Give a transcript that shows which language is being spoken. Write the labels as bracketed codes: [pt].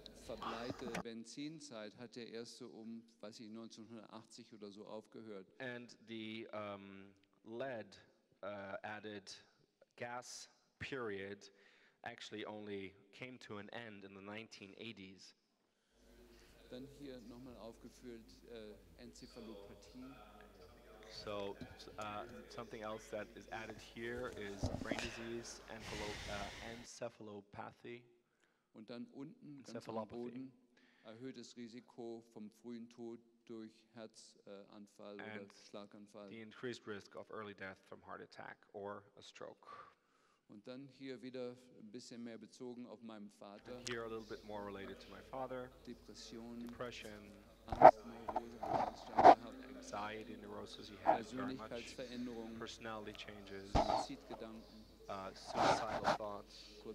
[de] verbleite Benzinzeit hat ja erst so um, weiß ich, 1980 oder so aufgehört. [en] And the lead added gas period actually only came to an end in the 1980s. [de] Dann hier nochmal aufgeführt Enzephalopathie. [en] So something else that is added here is brain disease, encephalopathy. [de] Und dann unten ganz am Boden erhöhtes Risiko vom frühen Tod durch Herzanfall oder Schlaganfall. [en] The increased risk of early death from heart attack or a stroke. [de] Und dann hier wieder ein bisschen mehr bezogen auf meinen Vater. [en] And here a little bit more related to my father. Depression. Anxiety, neurosis he had very much. Personality changes. Suicidal thoughts.